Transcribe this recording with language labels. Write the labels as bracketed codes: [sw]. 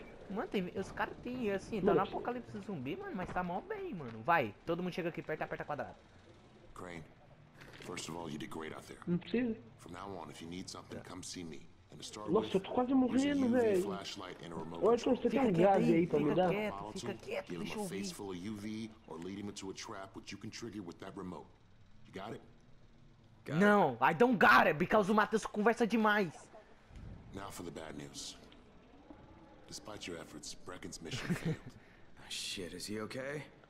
[pt] Mano, tem, os caras tem assim, tá no apocalipse zumbi, mano, mas tá mó bem, mano. Vai, todo mundo chega aqui perto, aperta quadrado. [en] Crane, first of all, you did great out there. [pt] Não precisa. [en] From now on, if you need something, come see me. [pt] Nossa, eu tô quase morrendo, velho. Ô, Arthur, você tem um gás aí pra me dar? Fica quieto, deixa eu ouvir. [en] UV, you can trigger with that remote. You got it? [pt] Não, [en] I don't got it, because [pt] o Matheus conversa demais. [en] Now for the bad news. Despite your efforts, Brecken's mission failed. Shit, is he okay?